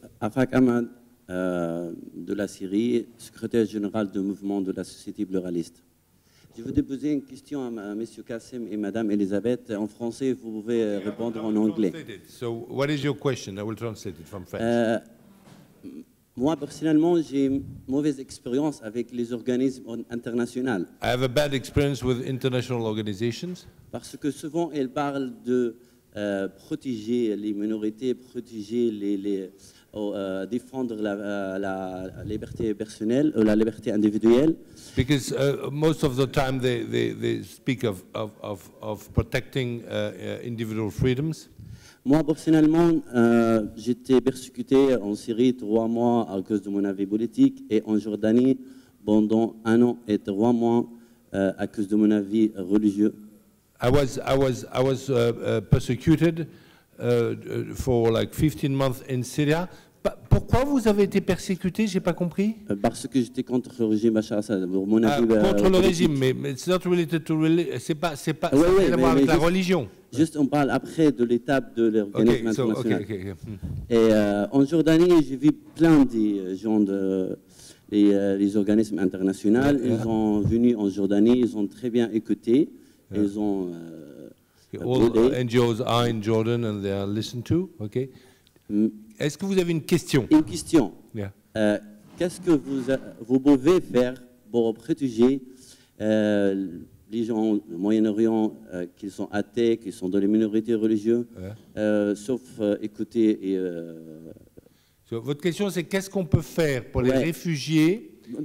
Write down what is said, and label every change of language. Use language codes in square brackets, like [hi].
[fr] Afak Ahmad, de la Syrie, secrétaire général du mouvement de la société pluraliste. Je vais déposer une question à Monsieur Kassim et Madame Elisabeth. En français, vous pouvez répondre en anglais. [en] So what is your question? I will translate it from French. [fr] Moi, personnellement, j'ai mauvaise expérience avec les organismes internationaux. [en] I have a bad experience with international organizations. [fr] Parce que souvent, elles parlent de protéger les minorités, protéger défendre la liberté personnelle ou la liberté individuelle. [en] Because most of the time they speak of protecting individual freedoms. [fr] Moi, personnellement, j'étais persécuté en Syrie 3 mois à cause de mon avis politique et en Jordanie pendant 1 an et 3 mois à cause de mon avis religieux. [en] I was persecuted for like 15 months in Syria. [fr] Pourquoi vous avez été persécuté? J'ai pas compris. Parce que j'étais contre le régime Bachar Assad. Pour mon avis, contre le régime, mais [en] it's not related to [fr] c'est pas ouais, ça mais à voir avec la religion. Juste, on parle après de l'étape de l'organisme international. [en] Okay, okay, okay. [fr] Et en Jordanie, j'ai vu plein de gens de les organismes internationaux. Yeah. Ils ont venu en Jordanie, ils ont très bien écouté. Yeah. Ils ont. [en] All NGOs are in Jordan and they are listened to. [fr] Okay. Est-ce que vous avez une question? Une question. [en] Yeah. [fr] Qu'est-ce que vous pouvez faire pour protéger les gens du Moyen-Orient qui sont athées, qui sont dans les minorités religieuses, sauf écouter et... Votre question, c'est qu'est-ce qu'on peut faire pour les réfugiés